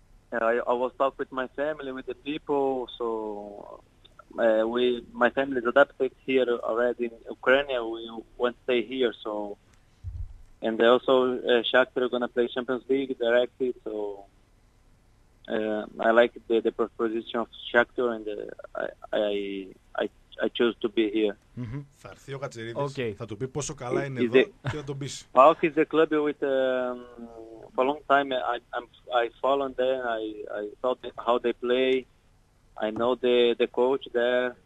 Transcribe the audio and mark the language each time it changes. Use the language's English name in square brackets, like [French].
[English] But I was talking with my family, with the people, so my family is adapted here already in Ukraine, we won't stay here, so... And they also Shakhtar going to play Champions League directly, so I like the proposition of Shakhtar and I chose to be here. [Greek] Θα έρθει ο Κατσερίδης, θα του πει πόσο καλά είναι εδώ και θα τον πεις. [English] PAOK is the club with for a long time. I followed them. I saw how they play. I know the coach there.